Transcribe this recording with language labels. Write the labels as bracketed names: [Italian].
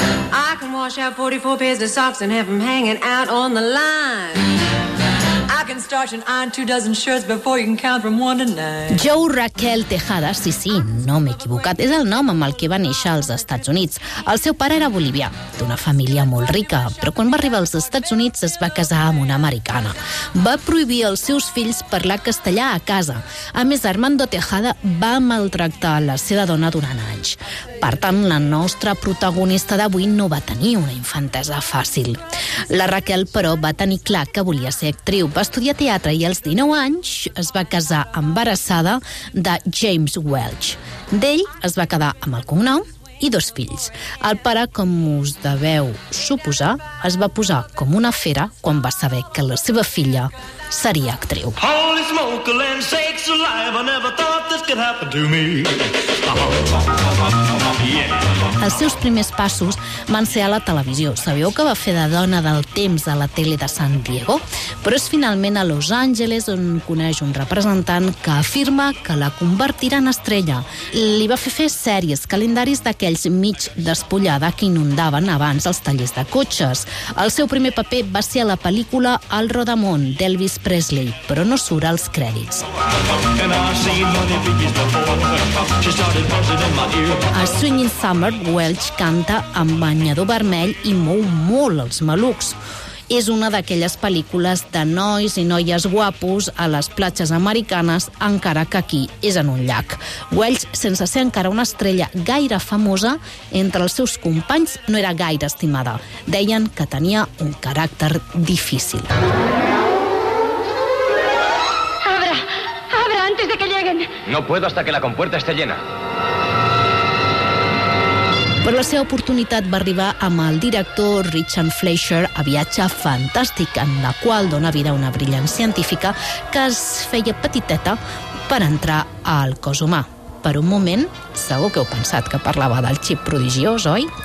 [English] I can wash out 44 pairs of socks and have them hanging out on the line. I can starch and iron 2 dozen shirts before you can count from 1 to 9. [Catalan] Joe Raquel Tejada, sí, no m'he equivocat, és el nom amb el que va néixer als Estats Units. El seu pare era bolivià, d'una família molt rica, però quan va arribar als Estats Units es va casar amb una americana. Va prohibir als seus fills parlar castellà a casa. A més, Armando Tejada va maltractar la seva dona durant anys. Per tant, la nostra protagonista d'avui no va tenir una infantesa fàcil. La Raquel, però, va tenir clar que volia ser actriu. Va estudiar teatre i als 19 anys es va casar embarassada de James Welch. D'ell es va quedar amb el cognom i 2 fills. El pare, com us deveu suposar, es va posar com una fera quan va saber que la seva filla seria actriu. [English] Holy smoke, land sakes alive, I never thought this could happen to me. [Catalan] Els seus primers passos van ser a la televisió. Sabeu que va fer de dona del temps a la tele de San Diego? Però és finalment a Los Angeles on coneix un representant que afirma que la convertirà en estrella. Li va fer fer sèries, calendaris d'aquells mig despullada que inundaven abans els tallers de cotxes. El seu primer paper va ser a la pel·lícula El Rodamón, d'Elvis Presley, però no surt als crèdits. A Swinging Summer, Welch canta amb banyador vermell i mou molt els malucs. És una d'aquelles pel·lícules de nois i noies guapos a les platges americanes, encara que aquí és en un llac. Welch, sense ser encara una estrella gaire famosa, entre els seus companys no era gaire estimada. Deien que tenia un caràcter difícil. [Spanish] Abra, abra antes de que lleguen. No puedo hasta que la compuerta esté llena. [Catalan] Però la seva oportunitat va arribar amb el director Richard Fleischer a Viatge Fantàstic, en la qual dona vida a una brillant científica que es feia petiteta per entrar al cos humà. Per un moment, segur que heu pensat que parlava del xip prodigiós, oi?